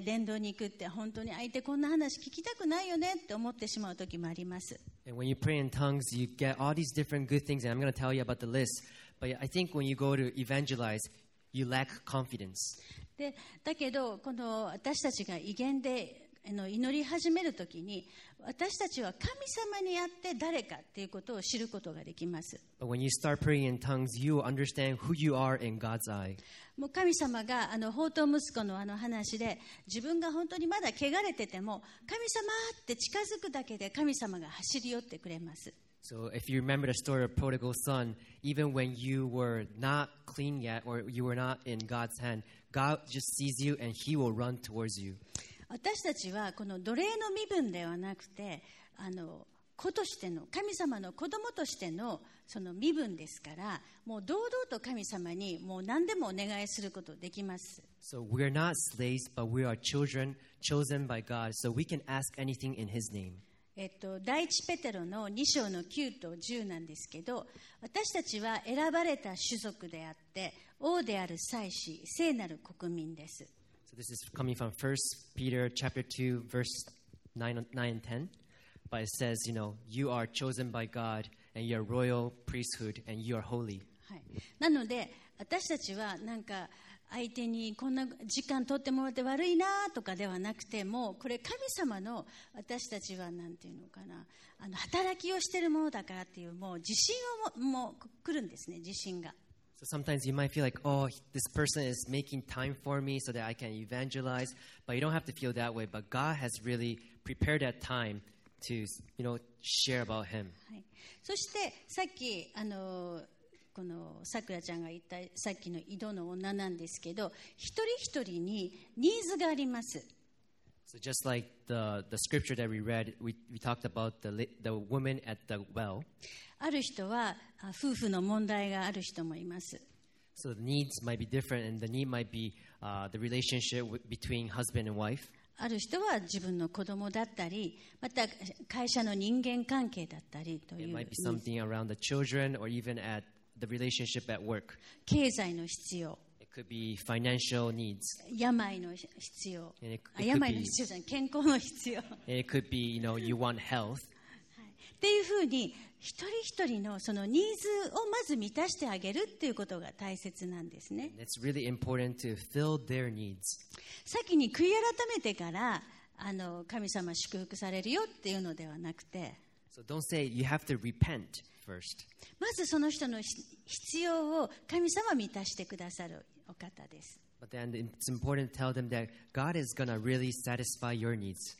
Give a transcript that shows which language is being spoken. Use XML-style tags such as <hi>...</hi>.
<ja>伝道に行くって本当に相手こんな話聞きたくないよねって思ってしまう時もあります。</ja> <en>And when you pray in tongues, you get all these different good things, and I'm going to tell you about the list. But I think when you go to evangelize, you lack confidence.</en> <ja>で、だけどこの私たちが異言で祈り始める時に、私たちは神様にあって誰かっていうことを知ることができます。</ja> <en>But when you start praying in tongues, you will understand who you are in God's eye.</en> <ja>もう神様が放蕩息子の話で、自分が本当にまだ汚れてても、神様って近づくだけで神様が走り寄ってくれます。</ja> <en>So if you remember the story of prodigal son, even when you were not clean yet or you were not in God's hand, God just sees you and he will run towards you.</en> <ja>私たちはこの奴隷の身分ではなくて子としての神様の子供としてのその身分ですからもう堂々と神様にもう何でもお願いすることができます。</ja> <en>So we are not slaves, but we are children chosen by God, so we can ask anything in His name.</en> <ja>第一ペテロの2章の9と10なんですけど私たちは選ばれた種族であって王である祭司、聖なる国民です。</ja> <en>So this is coming from 1 Peter chapter 2, verse 9 and 10. But it says, you know, you are chosen by God, and you are royal priesthood, and you are holy.</en> <ja>はい。なので、私たちはなんか相手にこんな時間取ってもらって悪いなとかではなくて、もうこれ神様の私たちはなんていうのかな、あの働きをしているものだからっていう、もう自信をもう来るんですね、自信が。</ja> <en>So sometimes you might feel like, oh, this person is making time for me so that I can evangelize. But you don't have to feel that way. But God has really prepared that time to, you know, share about Him.</en> <ja>そしてさっきあのこのさくらちゃんが言ったさっきの井戸の女なんですけど、一人一人にニーズがあります。</ja> <en>So just like the scripture that we read, we talked about the woman at the well.</en> <ja>ある人は夫婦の問題がある人もいます。</ja> <en>So the needs might be different, and the need might be the relationship between husband and wife.</en> <ja>ある人は自分の子供だったり、また会社の人間関係だったりという。</ja> <en>It might be something around the children or even at the relationship at work.</en> <ja>経済の必要。</ja> <en>It could be financial needs.</en> <ja>病の必要。病の必要じゃない、健康の必要。</ja> <en>It could be, you know, you want health.</en> <ja>っていうふうに、一人一人のそのニーズをまず満たしてあげるっていうことが大切なんですね。</ja> <en>It's really important to fill their needs.</en> <ja>先に悔い改めてからあの神様祝福されるよっていうのではなくて、</ja> <en>So don't say you have to repent. First.</en> <ja>まずその人の必要を神様満たしてくださるお方です。</ja> <en>But then it's important to tell them that God is going to really satisfy your needs.</en>